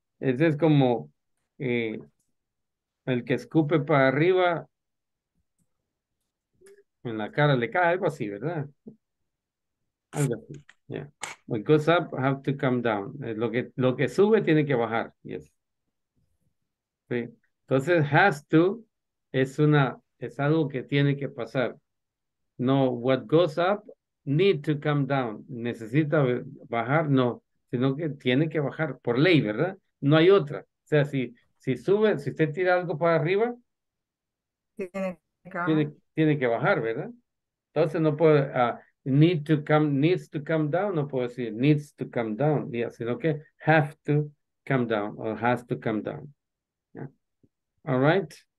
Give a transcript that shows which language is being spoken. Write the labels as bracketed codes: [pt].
[es] Ese es como el que escupe para arriba en la cara le cae, algo así, ¿verdad? Algo así. [en] Yeah. What goes up has to come down. [es] Lo que sube tiene que bajar. Yes. ¿Sí? Entonces, has to es algo que tiene que pasar. [en] No, what goes up need to come down. [es] Necesita bajar, no, sino que tiene que bajar por ley, ¿verdad? No hay otra. O sea, si sube, si usted tira algo para arriba, tiene que bajar, ¿verdad? Entonces no puede, [en] needs to come down, [es] no puedo decir [en] needs to come down, yeah, [es] sino que [en] have to come down or has to come down. Yeah. All right.